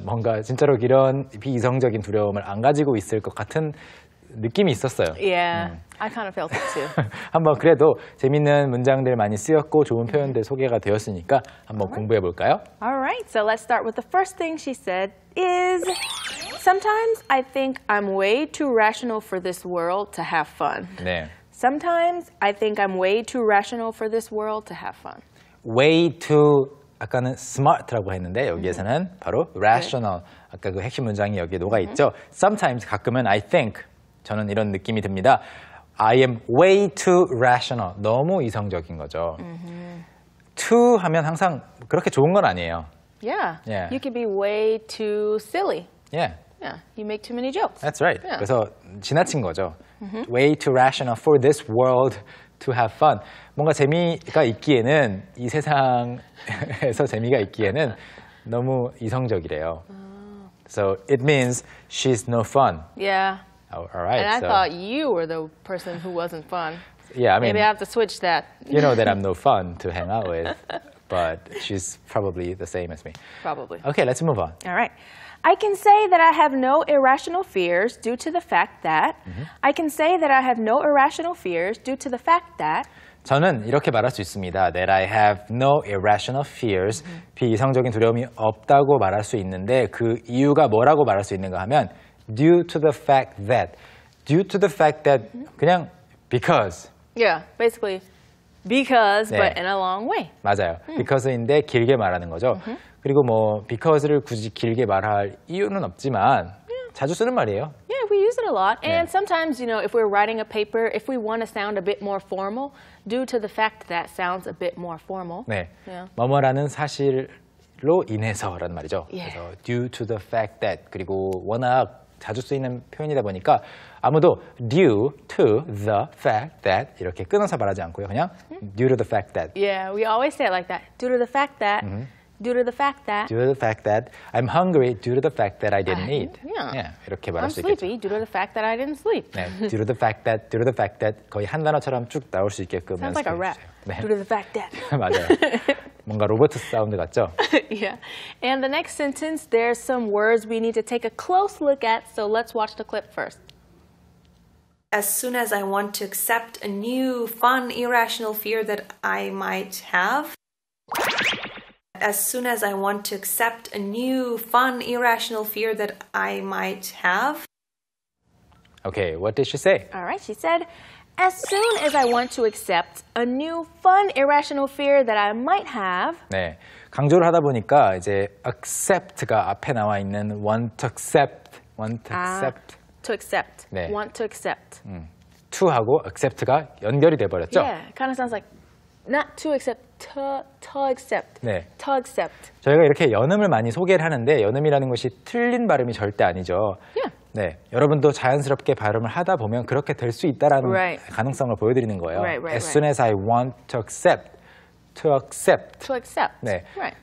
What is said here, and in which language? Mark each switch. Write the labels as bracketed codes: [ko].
[ko] 뭔가 진짜로 이런 비이성적인 두려움을 안 가지고 있을 것 같은 느낌이 있었어요. [en] Yeah, I kind of felt it too. [ko] 한번 그래도 재밌는 문장들 많이 쓰였고 좋은 표현들 소개가 되었으니까 한번 공부해 볼까요? [en] All right, so let's start with the first thing she said is Sometimes I think I'm way too rational for this world to have fun. [ko] 네. [en] Sometimes I think I'm way too rational for this world to have fun. Way too, [ko] 아까는 smart라고 했는데 여기에서는 mm-hmm. 바로 rational, mm-hmm. 아까 그 핵심 문장이 여기에 녹아있죠. Mm-hmm. [en] Sometimes, [ko] 가끔은 [en] I think, [ko] 저는 이런 느낌이 듭니다. [en] I am way too rational. [ko] 너무 이성적인 거죠. [en] Mm-hmm. [ko] Too 하면 항상 그렇게 좋은 건 아니에요. [en] Yeah. yeah. You can be way too silly. Yeah. Yeah. You make too many jokes. That's right. Yeah. [ko] 그래서 지나친 거죠. Mm-hmm. [en] Way too rational for this world to have fun. [ko] 뭔가 재미가 있기에는 이 세상에서 재미가 있기에는 너무 이성적이래요. [en] So it means she's no fun. Yeah. All right, and I thought you were the person who wasn't fun. Yeah, I mean, maybe I have to switch that. You know that I'm no fun to hang out with, but she's probably the same as me. Probably. Okay, let's move on. All right. I can say that I have no irrational fears due to the fact that mm-hmm. I can say that I have no irrational fears due to the fact that [ko] 저는 이렇게 말할 수 있습니다. [en] That I have no irrational fears. [ko] Mm-hmm. 비이성적인 두려움이 없다고 말할 수 있는데 그 이유가 뭐라고 말할 수 있는가 하면 [en] Due to the fact that, [ko] 그냥 because. [en] Yeah, basically, because, [ko] 네. [en] but in a long way. [ko] 맞아요. Because인데 길게 말하는 거죠. Mm-hmm. 그리고 뭐 because를 굳이 길게 말할 이유는 없지만 [en] yeah. [ko] 자주 쓰는 말이에요. [en] Yeah, we use it a lot. And [ko] 네. [en] sometimes, you know, if we're writing a paper, if we want to sound a bit more formal, due to the fact that sounds a bit more formal. [ko] 네, yeah. 뭐뭐라는 사실로 인해서라는 말이죠. [en] Yeah. [ko] 그래서 [en] due to the fact that, [ko] 그리고 워낙 자주 쓰이는 표현이다 보니까 아무도 due to the fact that 이렇게 끊어서 말하지 않고요. 그냥 [en] due to the fact that. Yeah, we always say it like that. Due to the fact that. Due to the fact that. Due to the fact that. I'm hungry due to the fact that I didn't eat. Yeah. [ko] 이렇게 말할 수 [en] 있겠죠. I'm sleepy due to the fact that I didn't sleep. [ko] 네, [en] due to the fact that. Due to the fact that. [ko] 거의 한 단어처럼 쭉 나올 수 있게끔 [en] Sounds like a rap. [ko] 네. [en] Due to the fact that. [ko] 맞아요. 뭔가 로버트 사운드 같죠? [en] yeah. And the next sentence, there's some words we need to take a close look at, so let's watch the clip first. As soon as I want to accept a new, fun, irrational fear that I might have. As soon as I want to accept a new, fun, irrational fear that I might have. Okay, what did she say? All right, she said, As soon as I want to accept a new fun irrational fear that I might have. [ko] 네, 강조를 하다 보니까 이제 accept가 앞에 나와 있는 [en] want to accept. 아, to accept. [ko] 네. [en] Want to accept. [ko] To하고 accept가 연결이 돼버렸죠. [en] Yeah, kind of sounds like not to accept, to accept. [ko] 네. [en] To accept. [ko] 저희가 이렇게 연음을 많이 소개를 하는데 연음이라는 것이 틀린 발음이 절대 아니죠. [en] Yeah. [ko] 네, 여러분도 자연스럽게 발음을 하다 보면 그렇게 될 수 있다라는 [en] right. [ko] 가능성을 보여드리는 거예요. [en] Right. As soon as I want to accept. To accept. [ko] 네. [en] Right.